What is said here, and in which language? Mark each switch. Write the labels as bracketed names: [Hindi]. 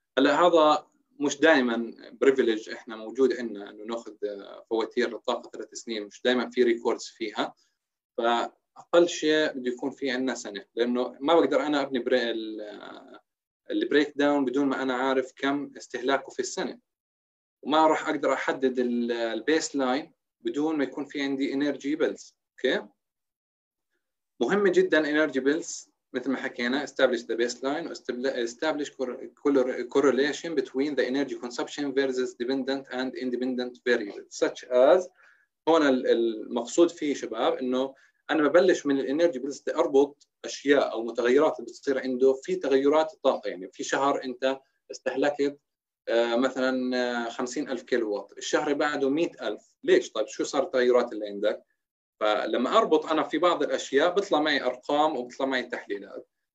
[Arabic] هلا هذا مش دائما بريفيليج احنا موجود عندنا انه ناخذ فواتير للطاقه 3 سنين، مش دائما في ريكوردز فيها، فاقل شيء بده يكون في عندنا سنه، لانه ما بقدر انا ابني البريك داون بدون ما انا عارف كم استهلاكه في السنه، وما راح اقدر احدد البيس لاين بدون ما يكون في عندي انرجي بيلز. اوكي، مهمه جدا انرجي بيلز مثل ما حكينا، [English] establish the baseline establish correlation between the energy consumption versus dependent and independent variables such as. [Arabic] هون المقصود فيه شباب انه انا ببلش من الانرجي بس بدي اربط اشياء او متغيرات اللي بتصير عنده في تغيرات الطاقه، يعني في شهر انت استهلكت مثلا 50,000 كيلو وات، الشهر بعده 100,000، ليش؟ طيب شو صار التغيرات اللي عندك؟ فلما أربط أنا في بعض الأشياء بطلع معي أرقام وبطلع معي تحليلات.